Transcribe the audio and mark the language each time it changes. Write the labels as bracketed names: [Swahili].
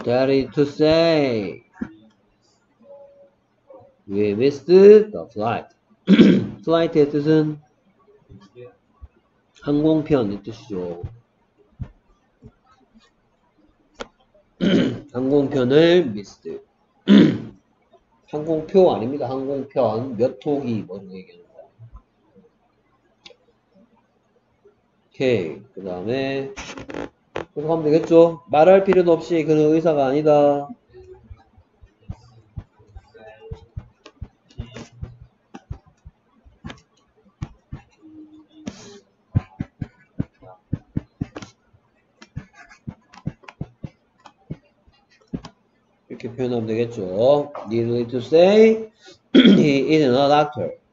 [English] That is to say we missed the flight. [Korean] 플라이트의 뜻은 항공편 이 뜻이죠. 항공편을 미스드. 항공표 아닙니다. 항공편 몇 톡이 뭔 얘기하는 거야. 오케이. 그 다음에 계속하면 되겠죠. 말할 필요는 없이 그는 의사가 아니다. 이렇게 표현하면 되겠죠. [English] Needless to say, he is not a doctor.